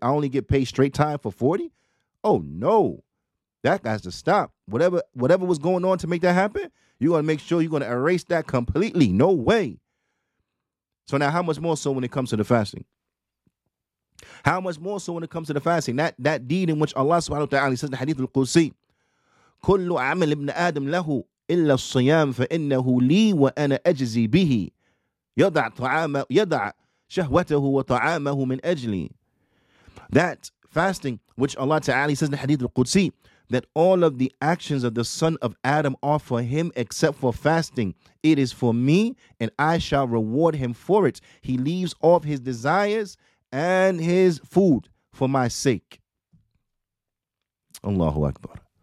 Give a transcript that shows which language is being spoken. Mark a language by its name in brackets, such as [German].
[English] I only get paid straight time for 40? Oh, no. That has to stop. Whatever was going on to make that happen, you're going to make sure you're going to erase that completely. No way. So now, how much more so when it comes to the fasting? How much more so when it comes to the fasting? That deed in which Allah subhanahu wa ta'ala says in the hadith al-Qudsi, [Arabic] كل عمل ابن آدم له إلا الصيام فإنه لي وأنا أجزي به يضع شهوته وطعامه من أجلي. [English] That fasting which Allah ta'ala says in the hadith al-Qudsi, that all of the actions of the son of Adam are for him except for fasting. It is for me and I shall reward him for it. He leaves off his desires and his food for my sake. Allahu Akbar.